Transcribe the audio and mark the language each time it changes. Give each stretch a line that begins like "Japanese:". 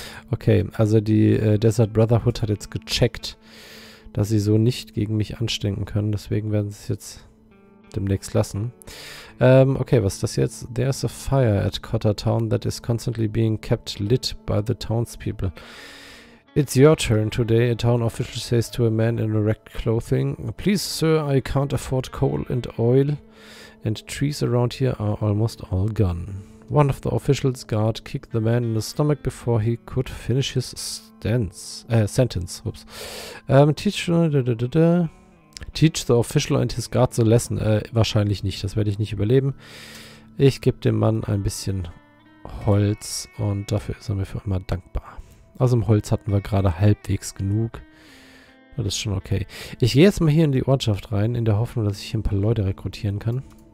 German: Okay, also die Desert Brotherhood hat jetzt gecheckt, dass sie so nicht gegen mich anstinken können. Deswegen werden sie es jetzt demnächst lassen. Okay, was ist das jetzt?
English: There is a fire at Cotter Town that is constantly being kept lit by the townspeople. It's your turn today, a town official says to a man in ragged clothing. Please, sir, I can't afford coal and oil, and trees around here are almost all gone. One of the officials' guard kicked the man in the stomach before he could finish his sentence. Oops. Teach the official and his guard a lesson.
German: Wahrscheinlich nicht, das werde ich nicht überleben. Ich gebe dem Mann ein bisschen Holz und dafür ist er mir für immer dankbar. Also im Holz hatten wir gerade halbwegs genug. Das ist schon okay. Ich gehe jetzt mal hier in die Ortschaft rein, in der Hoffnung, dass ich hier ein paar Leute rekrutieren kann.